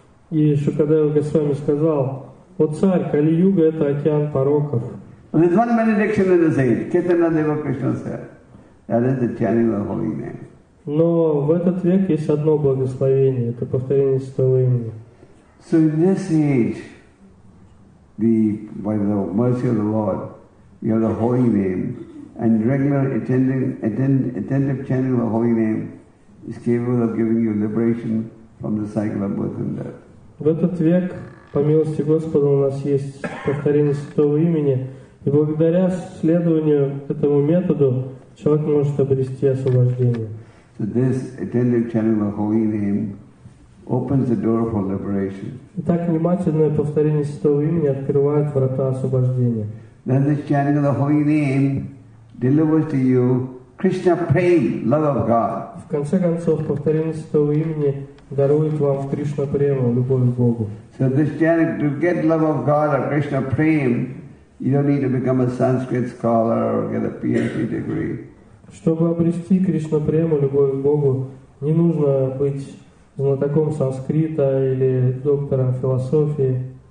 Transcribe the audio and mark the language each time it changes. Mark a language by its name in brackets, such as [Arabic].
[Russian] И Шукадева Госвами сказал, о царь, Кали-Юга это океан пороков. [English] There's one benediction in this age, Chaitanya Deva Krishna said, that is the chanting of the holy name. [Russian] Но в этот век есть одно благословение, это повторение святого имени. [English] So in this age, by the mercy of the Lord, you have the holy name, and regular attentive chanting of the holy name is capable of giving you liberation from the cycle of birth and death. [Russian] В этот век, по милости Господа, у нас есть повторение святого имени, и благодаря следованию этому методу человек может обрести освобождение. [English] So this attentive chanting of the holy name opens the door for liberation. [Russian] Итак, внимательное повторение святого имени открывает врата освобождения. [English] Then this chanting of the holy name delivers to you Krishna prem, love of God. [Russian] В конце концов, повторение святого имени дарует вам Кришна прему, любовь к Богу. [English] So this chanting, to get love of God or Krishna prem, you don't need to become a Sanskrit scholar or get a PhD degree. [Russian] Чтобы обрести Кришна-прему, любовь к Богу, не нужно быть знатоком санскрита или доктором философии.